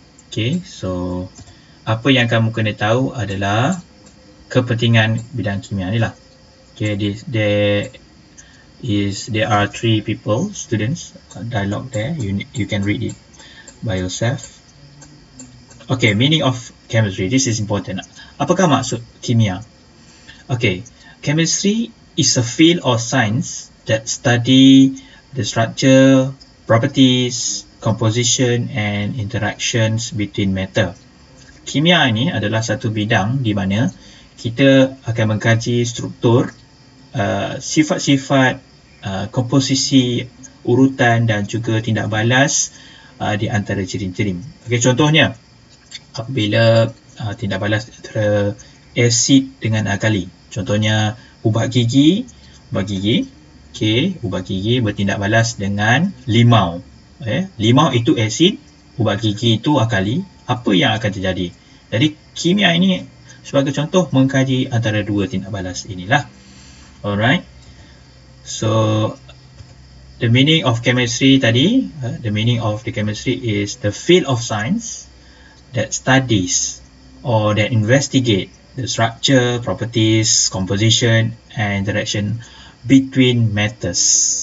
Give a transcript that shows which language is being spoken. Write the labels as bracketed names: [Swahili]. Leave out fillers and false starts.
[Malay] Okay, so apa yang kamu kena tahu adalah kepentingan bidang kimia ni lah. [English] Okay, there are three people, students, dialogue there. You can read it by yourself. Okay, meaning of chemistry. This is important. [Malay] Apakah maksud kimia? [English] Okay, chemistry is a field of science that study the structure, properties, composition and interactions between matter. [Malay] Kimia ini adalah satu bidang di mana kita akan mengkaji struktur, sifat-sifat, komposisi, urutan dan juga tindak balas di antara jirim-jirim. Okay, contohnya, apabila tindak balas antara asid dengan alkali. Contohnya, ubat gigi, okay, ubat gigi bertindak balas dengan limau. Okay, limau itu asid, ubat gigi itu alkali. Apa yang akan terjadi? Jadi, kimia ini sebagai contoh mengkaji antara dua tindak balas inilah. [English] Alright. So, the meaning of chemistry [Malay] tadi, [English] the meaning of the chemistry is the field of science that studies or that investigate the structure, properties, composition and interaction between matters.